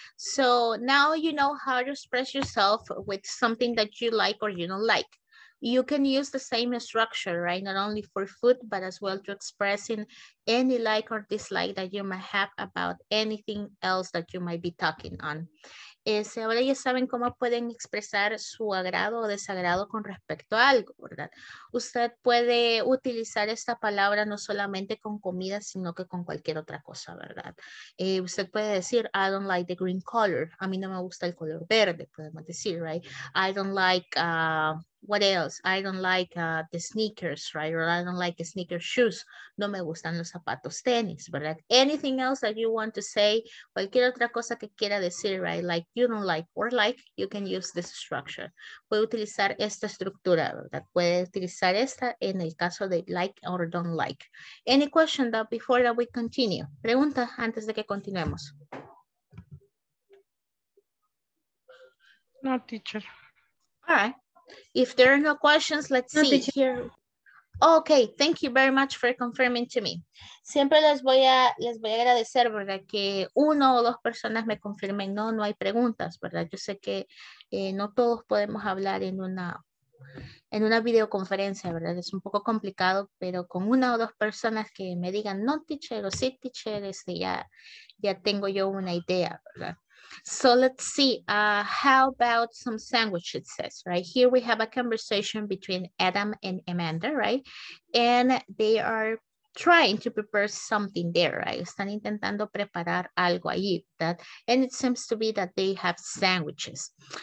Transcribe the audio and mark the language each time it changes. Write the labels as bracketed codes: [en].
[en] So now you know how to express yourself with something that you like or you don't like. You can use the same structure, right? Not only for food, but as well to expressing any like or dislike that you might have about anything else that you might be talking on. [es] Ahora ya saben cómo pueden expresar su agrado o desagrado con respecto a algo, ¿verdad? Usted puede utilizar esta palabra no solamente con comida, sino que con cualquier otra cosa, ¿verdad? Usted puede decir, [en] I don't like the green color. [es] A mí no me gusta el color verde, podemos decir, right? [en] I don't like, what else? I don't like the sneakers, right? Or I don't like sneaker shoes. [es] No me gustan los zapatos tenis, ¿verdad? [en] Anything else that you want to say, [es] cualquier otra cosa que quiera decir, [en] right? Like, you don't like or like, you can use this structure. [es] Puede utilizar esta estructura, ¿verdad? Puede utilizar esta en el caso de [en] like or don't like. Any question that before that we continue? [es] Pregunta antes de que continuemos. [en] No, teacher. All right. If there are no questions, let's see here. Okay, thank you very much for confirming to me. [es] Siempre les voy a agradecer, ¿verdad? Que uno o dos personas me confirmen, no, no hay preguntas, ¿verdad? Yo sé que no todos podemos hablar en una videoconferencia, ¿verdad? Es un poco complicado, pero con una o dos personas que me digan, no, teacher, o sí, teacher, ya tengo yo una idea, ¿verdad? [en] So let's see, how about some sandwiches, it says, right? Here we have a conversation between Adam and Amanda, right? And they are trying to prepare something there, right? [es] Están intentando preparar algo ahí, [en] that, and it seems to be that they have sandwiches.